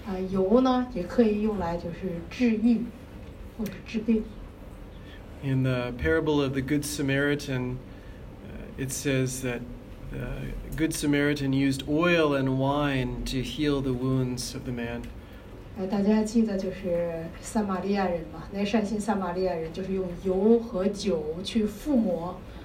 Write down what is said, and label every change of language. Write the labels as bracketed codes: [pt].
[zh] 油呢也可以用来就是治愈或者治病。 [en] In the parable of the Good Samaritan, it says that the Good Samaritan used oil and wine to heal the wounds of the man. [zh] 大家记得就是撒玛利亚人嘛？那善心撒玛利亚人就是用油和酒去覆抹。